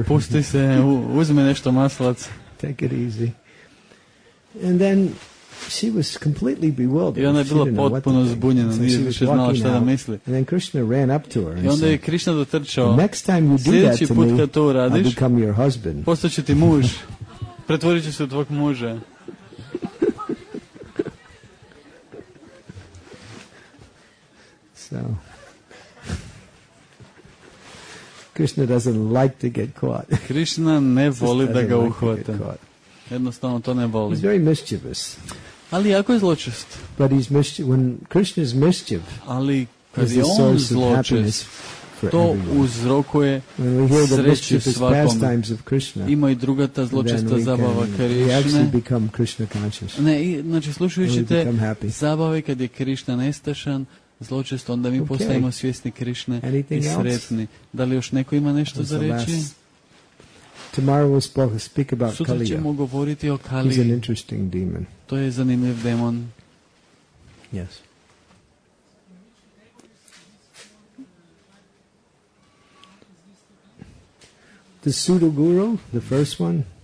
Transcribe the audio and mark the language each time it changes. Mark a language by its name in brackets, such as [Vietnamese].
[Croatian] Opusti se, uzmi nešto maslac. [English] Take it easy. And then she was completely bewildered. [Croatian] I ona je bila potpuno zbunjena, nije više znala šta da misli. [English] And then Krishna ran up to her. [Croatian] I onda je Krishna dotrčao. [English] Next time you do that to me, [Croatian] to uradiš, [English] I'll become your husband. [Croatian] Postaću ti muž. Pretvorit ću se u tvog muža. [English] So Krishna doesn't like to get caught. [Croatian] Krishna ne voli da ga uhvate. Jednostavno to ne voli. [English] He's very mischievous. [Croatian] Ali jako je zločest. [English] But he's mischievous. When Krishna is mischief, [Croatian] ali kad je on zločest, to uzrokuje sreću svakome. Ima i druga ta zločesta zabava Krishne. Ne, znači slušajući te zabave kad je Krishna nestašan, zločesto, onda mi [English] okay. [Croatian] postajemo svjesni Krišne [English] Anything [Croatian] i sretni. [English] Else? [Croatian] Da li još neko ima nešto za reći? [English] Tomorrow we'll speak about [Croatian] Sutra [English] Kaliya. [Croatian] Ćemo govoriti o Kali. [English] He's an interesting demon. [Croatian] To je zanimljiv demon. [English] Yes. The Pseudo Guru, the first one.